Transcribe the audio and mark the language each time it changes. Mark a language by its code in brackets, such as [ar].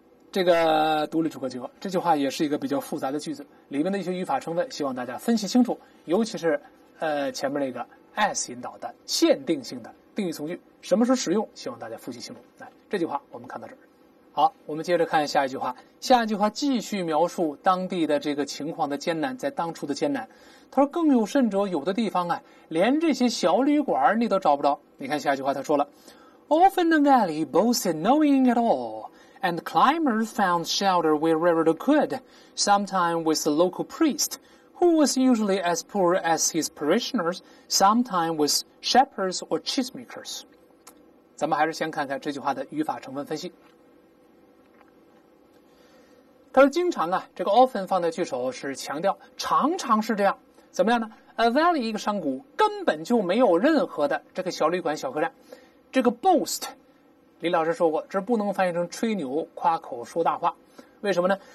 [zh] 这个独立主合结构，这句话也是一个比较复杂的句子，里面的一些语法成分，希望大家分析清楚，尤其是前面那个 as 引导的限定性的定语从句，什么时候使用，希望大家复习清楚。来，这句话我们看到这儿。好，我们接着看下一句话。下一句话继续描述当地的这个情况的艰难，在当初的艰难。他说更有甚者，有的地方啊，连这些小旅馆你都找不着。你看下一句话他说了 [en] Often the valley boasted no inn at all, and climbers found shelter wherever they could, sometime with the local priest, who was usually as poor as his parishioners, sometime with shepherds or cheesemakers. [zh] 咱们还是先看看这句话的语法成分分析。他说经常啊，这个 often 放在句首是强调常常是这样，怎么样呢？ A valley 一个山谷，根本就没有任何的这个小旅馆小客栈。这个 boast 李老师说过，这不能翻译成吹牛夸口说大话，为什么呢？